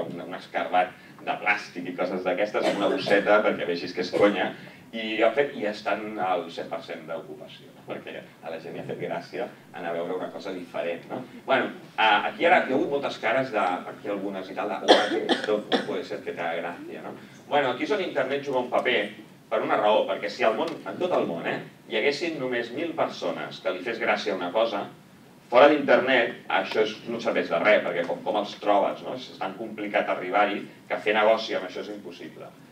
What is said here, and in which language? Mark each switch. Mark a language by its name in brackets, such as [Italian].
[Catalan] Hi ha un escarbat de plàstic i coses d'aquestes amb una bosseta perquè vegis que és conya, i en fet ja estan al 100% d'ocupació, no? Perquè a la gent li ha fet gràcia anar a veure una cosa diferent, no? Bueno, aquí ara hi ha hagut moltes cares de, aquí algunes i tal, de que [Spanish] esto puede ser que te haga gracia, [Catalan] no? Bueno, aquí és on internet juga un paper, per una raó, perquè si al món, en tot el món, hi haguessin només 1.000 persones que li fes gràcia una cosa, fora d'internet això no serveix de res, perquè com els trobes, no? És tan complicat arribar-hi que fer negoci amb això és impossible.